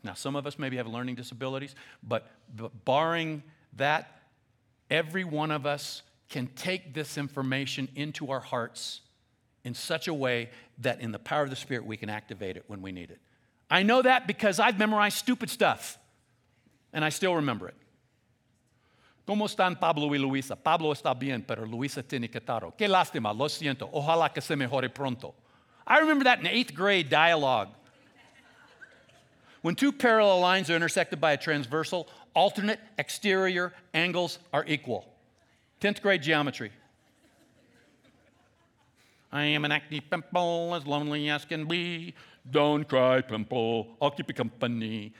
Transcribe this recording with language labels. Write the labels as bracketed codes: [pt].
[en] Now, some of us maybe have learning disabilities, but barring that, every one of us can take this information into our hearts in such a way that in the power of the Spirit, we can activate it when we need it. I know that because I've memorized stupid stuff, and I still remember it. [es] ¿Cómo están Pablo y Luisa? Pablo está bien, pero Luisa tiene catarro. Qué lástima, lo siento. Ojalá que se mejore pronto. [en] I remember that in eighth grade dialogue. When two parallel lines are intersected by a transversal, alternate exterior angles are equal. 10th grade geometry. I am an acne pimple, as lonely as can be. Don't cry, pimple, I'll keep you company.